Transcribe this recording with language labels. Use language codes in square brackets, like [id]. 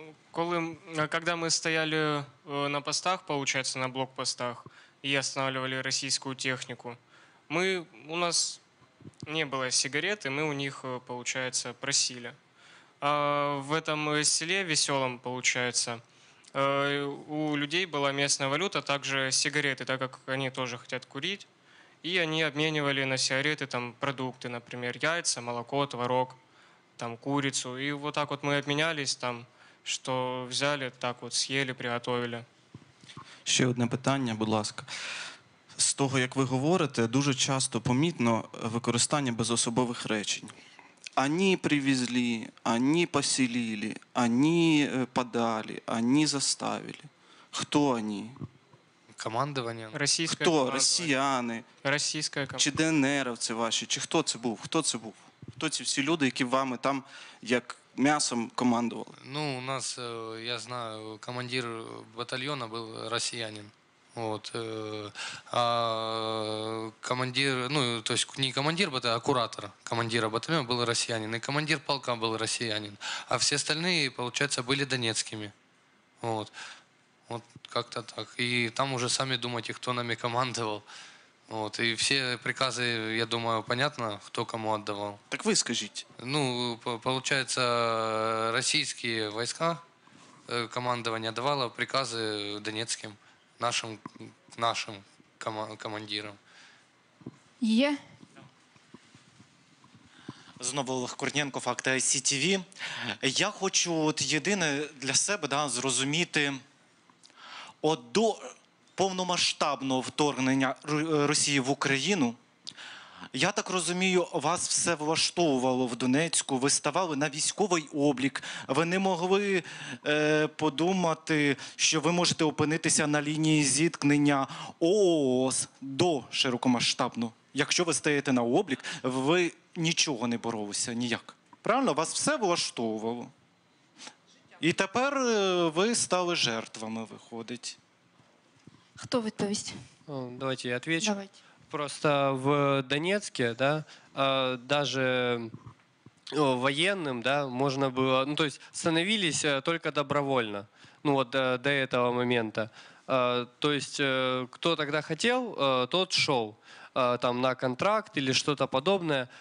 [uk] Коли ми стояли на постах, виходить, на блокпостах, і [ru] останавливали [uk] російську техніку, у нас не було сигарет, і ми у них, виходить, просили. А в цьому селі Веселом, виходить, [ru] у людей была местная валюта, также сигареты, так как они тоже хотят курить. И они обменивали на сигареты там, продукты, например, яйца, молоко, творог, там, курицу. И вот так вот мы обменялись, там, что взяли, так вот съели, приготовили. [uk] Еще одно питання, будь ласка. З того, як ви говорите, дуже часто помітно використання безособових речень. Ані привезли, ані поселили, ані подали, ані заставили. Хто ані? К командування. Російське хто? Росіяни? Російська команда. Чи ДНРовці ваші? Чи хто це був? Хто це був? Хто ці всі люди, які вами там як м'ясом командували? Ну, у нас, я знаю, командир батальйону був росіянин. От. А командир, ну, [ru] то есть [uk] не командир, а куратор командира батальйону був росіянин. І командир полка був росіянин. А всі [ru] остальные, [uk] виходить, були донецькими. [ru] От. Вот как-то так. И там уже сами думайте, кто нами командовал. Вот. И все приказы, я думаю, понятно, кто кому отдавал. Так вы скажите. Ну, получается, российские войска, командование давало приказы донецким, нашим командирам. [uk] Є. Знову Олег Курненко, факти ICTV. Я хочу от єдине для себе, да, зрозуміти... От до повномасштабного вторгнення Росії в Україну, я так розумію, вас все влаштовувало в Донецьку, ви ставали на військовий облік, ви не могли подумати, що ви можете опинитися на лінії зіткнення ООС до широкомасштабного. Якщо ви стаєте на облік, ви нічого не боролися ніяк. Правильно? Вас все влаштовувало. І тепер ви стали жертвами, виходить. [ru] Кто [uk] відповість? [ru] Давайте я отвечу. Давайте. Просто в Донецке, да, даже военным, да, можно было, ну, то есть становились только добровольно. Ну вот до этого момента. То есть кто тогда хотел, тот шел там на контракт или что-то подобное.